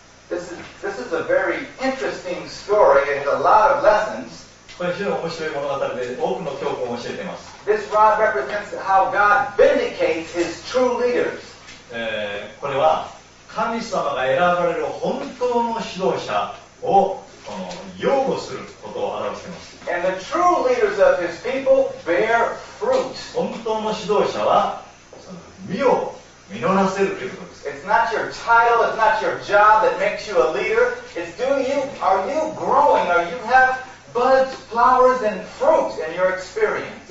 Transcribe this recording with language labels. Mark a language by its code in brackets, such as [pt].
[en] This is a very interesting story. It has a lot of lessons. [ja] これ非常に面白い物語で、多くの教訓を教えています。 [en] This rod represents how God vindicates His true leaders. [ja] これは神様が選ばれる本当の指導者を擁護することを表しています。 [en] And the true leaders of his people bear fruit. [ja] 本当の指導者は実を実らせるということです。 [en] It's not your title, it's not your job that makes you a leader. It's are you growing? Are you have buds, flowers, and fruit in your experience?